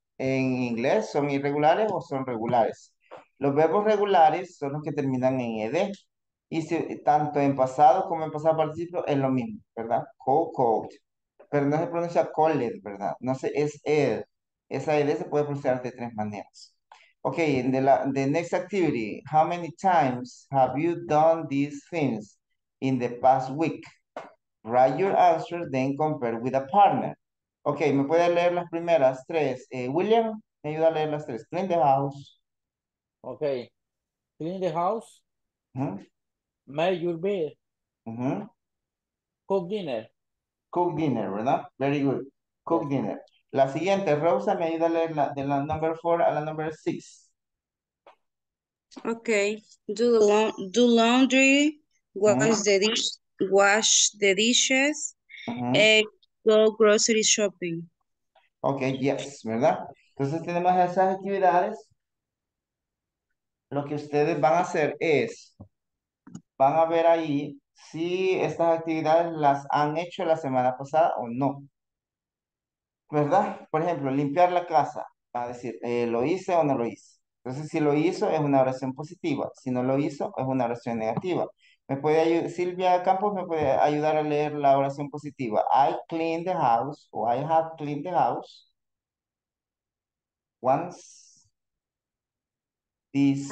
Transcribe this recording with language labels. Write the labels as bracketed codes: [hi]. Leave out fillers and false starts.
[es] En inglés son irregulares o son regulares. Los verbos regulares son los que terminan en ed. Y si, tanto en pasado como en pasado participio es lo mismo, ¿verdad? Cold. Pero no se pronuncia called, ¿verdad? No sé, es ed. Esa ed se puede pronunciar de tres maneras. [en] Ok, the next activity. How many times have you done these things in the past week? Write your answer, then compare with a partner. [es] Ok, ¿me puede leer las primeras tres? William, me ayuda a leer las tres. [en] Clean the house. Ok. Clean the house. ¿Mm? May your bed. Mm-hmm. Cook dinner. Cook dinner, ¿verdad? Very good. Cook dinner. [es] La siguiente, Rosa, me ayuda a leer la de la number 4 a la number 6. [en] Okay. Do laundry, wash the dishes, go grocery shopping. [es] Okay, yes, ¿verdad? Entonces tenemos esas actividades. Lo que ustedes van a hacer es, van a ver ahí si estas actividades las han hecho la semana pasada o no. ¿Verdad? Por ejemplo, limpiar la casa. Va a decir, ¿lo hice o no lo hice? Entonces, si lo hizo, es una oración positiva. Si no lo hizo, es una oración negativa. ¿Me puede ayudar? Silvia Campos me puede ayudar a leer la oración positiva. [en] I cleaned the house, o I have cleaned the house once this